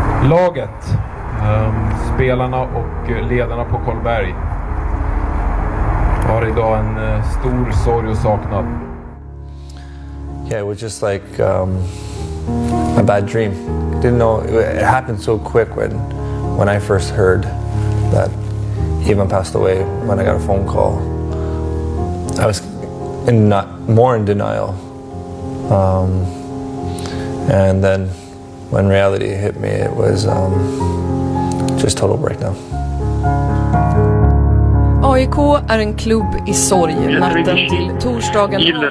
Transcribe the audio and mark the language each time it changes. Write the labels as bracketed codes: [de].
[sv] Laget, spelarna och ledarna på Kolberg har idag en stor sorg och saknad. [en] Yeah, it was just like a bad dream. Didn't know it happened so quick when I first heard that Ivan passed away. When I got a phone call, I was more in denial. And then when reality hit me, it was just total breakdown. [sv] AIK är en klubb i sorg natten till torsdagen.